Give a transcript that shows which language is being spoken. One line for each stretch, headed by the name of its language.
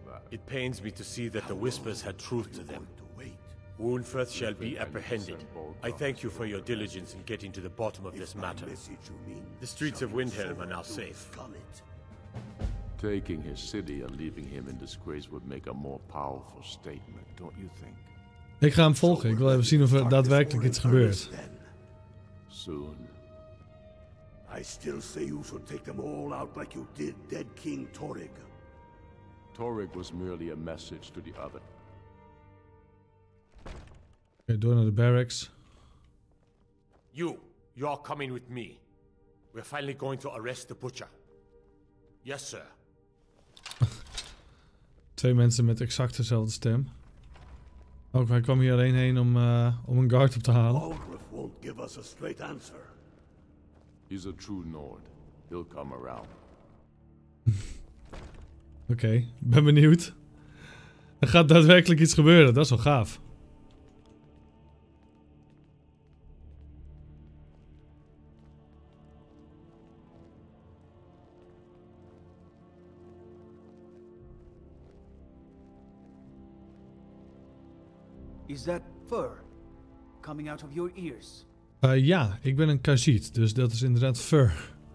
English: It pains me to see that the whispers had truth to them. Wounferth shall be apprehended. I thank you for your diligence in getting to the bottom of this matter. The streets of Windhelm are now safe. Taking his city and leaving him in disgrace would make a more powerful statement, don't you think?
Dutch: Ik ga hem volgen. Ik wil even zien of er daadwerkelijk iets gebeurt.
English: Soon. I still say you should take them all out like you did dead King Torig. Torig was merely a message to the other.
Dutch: Okay, door naar de barracks.
English: You're coming with me. We're finally going to arrest the butcher. Yes, sir.
Dutch: Twee mensen met exact dezelfde stem. Ook hij kwam hier alleen heen om een guard op te halen.
English: Algriff won't give us a straight answer. He's a true Nord. He'll come around.
Dutch: Okay, ben benieuwd. Er gaat daadwerkelijk iets gebeuren, dat is wel gaaf.
English: Is that fur coming out of your ears?
Dutch: Ja, ik ben een Khajiit, dus dat is inderdaad fur.